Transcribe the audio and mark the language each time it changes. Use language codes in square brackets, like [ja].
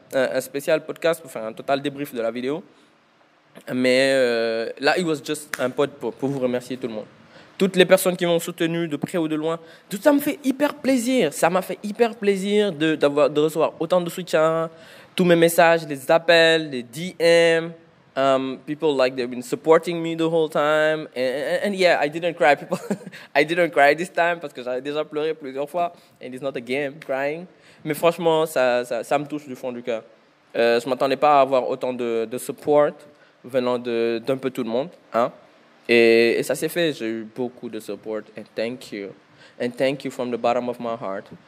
[fr] Un spécial podcast pour faire un total débrief de la vidéo. Mais là, [en] it was just [fr] un pod pour vous remercier tout le monde. Toutes les personnes qui m'ont soutenu de près ou de loin, tout ça me fait hyper plaisir. Ça m'a fait hyper plaisir de recevoir autant de soutien. Tous mes messages, les appels, les DM. [en] People like they've been supporting me the whole time. And yeah, I didn't cry. I didn't cry this time [fr] parce que j'avais déjà pleuré plusieurs fois. [en] And it's not a game, crying. [fr] Mais franchement, ça me touche du fond du cœur. Je ne m'attendais pas à avoir autant de support venant d'un peu tout le monde. Hein? Et ça s'est fait, j'ai eu beaucoup de support, [en] and thank you. And thank you from the bottom of my heart.